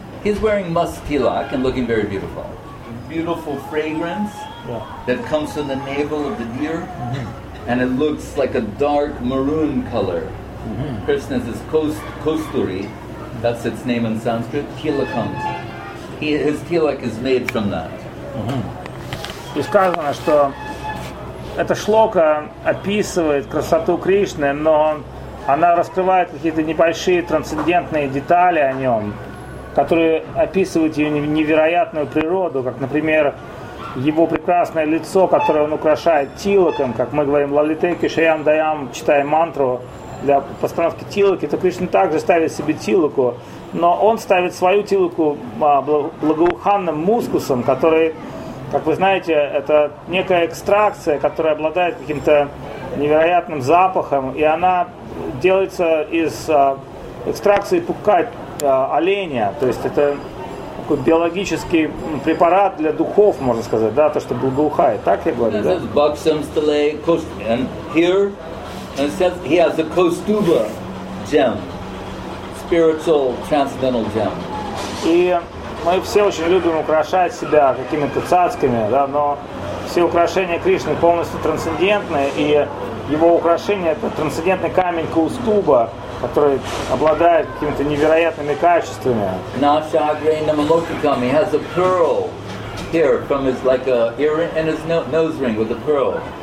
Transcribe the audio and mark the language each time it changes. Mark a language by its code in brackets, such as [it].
[en] He's wearing musk tilak and looking very beautiful. Beautiful fragrance that comes from the navel of the deer, and it looks like a dark maroon color. Krishna says kasturi, that's its name in Sanskrit, tilakam. His tilak is made from that. [ru] И сказано, что эта шлока описывает красоту Кришны, но она раскрывает какие-то небольшие трансцендентные детали о нем, которые описывают ее невероятную природу, как, например, его прекрасное лицо, которое он украшает тилоком, как мы говорим, лалитеки шаям даям, читая мантру для постановки тилоки, то Кришна также ставит себе тилоку, но он ставит свою тилоку благоуханным мускусом, который, как вы знаете, это некая экстракция, которая обладает каким-то невероятным запахом, и она делается из экстракции пупка оленя, то есть это такой биологический препарат для духов, можно сказать, да, то, что благоухает, так я говорю, да? [en] And here, and it says he has a Kostuba gem, spiritual transcendental gem. [ru] И мы все очень любим украшать себя какими-то цацками, да, но все украшения Кришны полностью трансцендентны, и его украшение – это трансцендентный камень Каустуба, который обладает какими-то невероятными качествами. [en] He has a pearl here from his, like, a earring in his nose ring with a pearl.